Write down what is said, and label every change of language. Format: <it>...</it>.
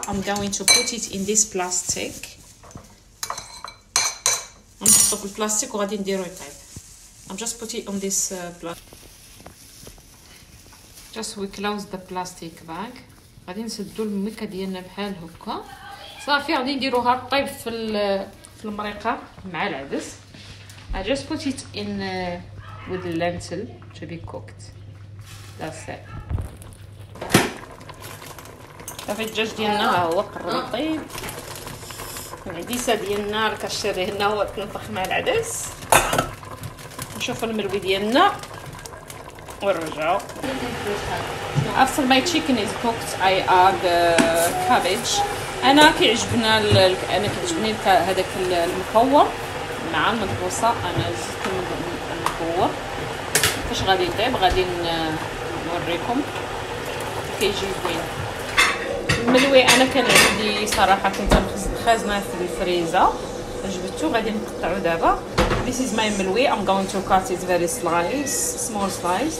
<en>I'm going to put it in this plastic.</en> <ar>نحطو في البلاستيك وغادي نديرو يطيب.</ar> <en>I'm just putting on this plastic. just we close the plastic bag.</en> <ar>غادي نسدو الميكا ديالنا بحال هكا. صافي غادي نديروها طيب في المريقة مع العدس.</ar> <en>I just put it in with the lentil to be cooked. that's it.</en> <ar>صافي الدجاج ديالنا هو قرب يطيب. العديسة ديالنا كنشري هنا هو تنطخ مع العدس. نشوف المروي ديالنا ونرجعو.</ar> <en>after my chicken is cooked I add cabbage.</en> <ar>انا كيعجبني هذاك المكور مع المدبوسة. انا زدت المكور. فاش غادي يطيب غادي نوريكم كيجي زوين الملوي. انا كان عندي صراحة كنت خازنا في الفريزر، جبتو غادي نقطعو دابا.</ar> <en>this is my ملوي. I'm going to cut it very slice, small slice.</en>